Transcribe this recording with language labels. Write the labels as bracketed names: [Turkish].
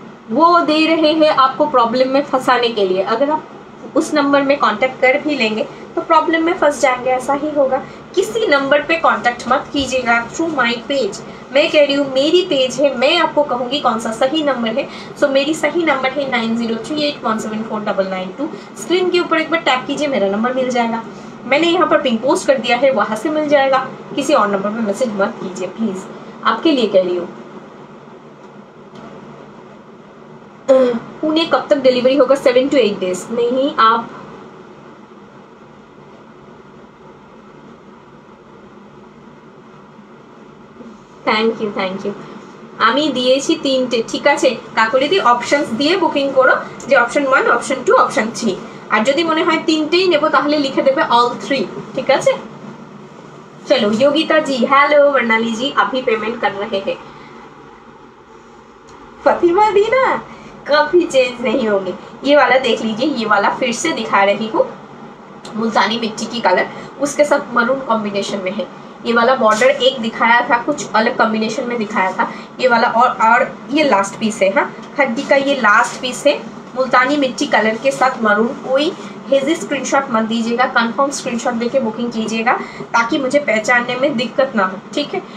[Hindi] वो दे रहे हैं आपको प्रॉब्लम में फंसाने के लिए, अगर आप उस नंबर में कांटेक्ट कर भी लेंगे तो प्रॉब्लम में फंस जाएंगे, ऐसा ही होगा, किसी नंबर पे कांटेक्ट मत कीजिएगा थ्रू माय पेज, मैं कह रही हूँ मेरी पेज है, मैं आपको कहूँगी कौन सा सही नंबर है, सो मेरी सही नंबर है 9038174992, स्क्रीन के ऊपर एक बार टैप कीजिए मेरा नंबर मिल जाएगा, मैंने यहाँ पर पिंग पोस्ट कर दिया है वहाँ से मिल जाएगा, किसी और नंबर पर मैसेज मत कीजिए प्लीज़, आपके लिए कह रही हूँ। पुणे कब तक डिलीवरी होगा? [English] 7 to 8 days, [Hindi] नहीं आप थैंक यू [Bangla] আমি দিয়েছি তিনটে, ঠিক আছে কাকুলি দি অপশনস দিয়ে বুকিং করো, যে অপশন 1 অপশন 2 অপশন 3, আর যদি মনে হয় তিনটেই নেব তাহলে লিখে দেবে অল 3, ঠিক আছে। চলো যোগিতা জি, [Hindi] হ্যালো বর্ণালী জি, আপনি পেমেন্ট কর রহে হে, ফাতিমা দি না कभी चेंज नहीं होंगे, ये वाला देख लीजिए, ये वाला फिर से दिखा रही हूँ, मुल्तानी मिट्टी की कलर, उसके साथ मरून कॉम्बिनेशन में है, ये वाला बॉर्डर एक दिखाया था कुछ अलग कॉम्बिनेशन में दिखाया था ये वाला, और ये लास्ट पीस है, हाँ खड्डी का ये लास्ट पीस है मुल्तानी मिट्टी कलर के साथ मरून, कोई हेजी स्क्रीनशॉट मत दीजिएगा, कन्फर्म स्क्रीनशॉट देके बुकिंग कीजिएगा ताकि मुझे पहचानने में दिक्कत ना हो, ठीक है।